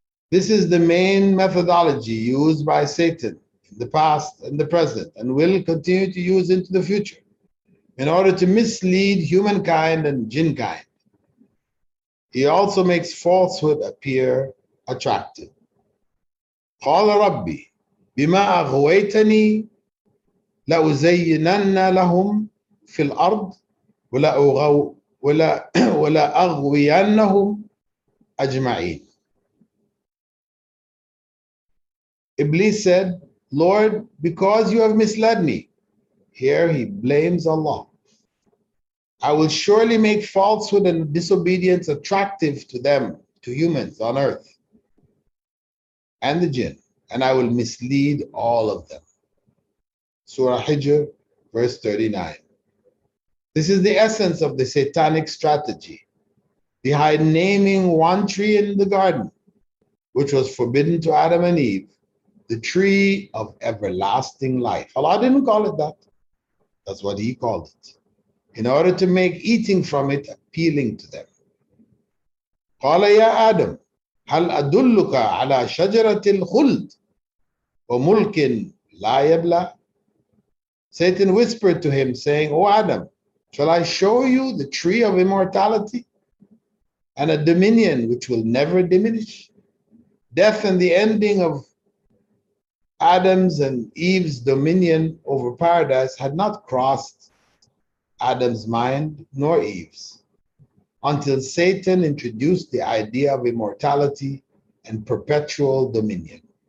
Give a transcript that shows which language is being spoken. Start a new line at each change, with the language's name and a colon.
English: This is the main methodology used by Satan in the past and the present, and will continue to use into the future in order to mislead humankind and jinnkind. He also makes falsehood appear attractive.
Arabic: قال ربي بما أغويتني لأزينن لهم في الأرض ولا أغوينهم أجمعين.
English: Iblis said, Lord, because you have misled me, here he blames Allah, I will surely make falsehood and disobedience attractive to them, to humans on earth, and the jinn, and I will mislead all of them. Surah Hijr, verse 39. This is the essence of the satanic strategy behind naming one tree in the garden, which was forbidden to Adam and Eve, the tree of everlasting life. Allah didn't call it that. That's what he called it, in order to make eating from it appealing to them.
Arabic: قال يا آدم هل أدلك على شجرة الخلد وملك لا يبلى.
English: Satan whispered to him, saying, O Adam, shall I show you the tree of immortality and a dominion which will never diminish? Death and the ending of Adam's and Eve's dominion over paradise had not crossed Adam's mind nor Eve's until Satan introduced the idea of immortality and perpetual dominion.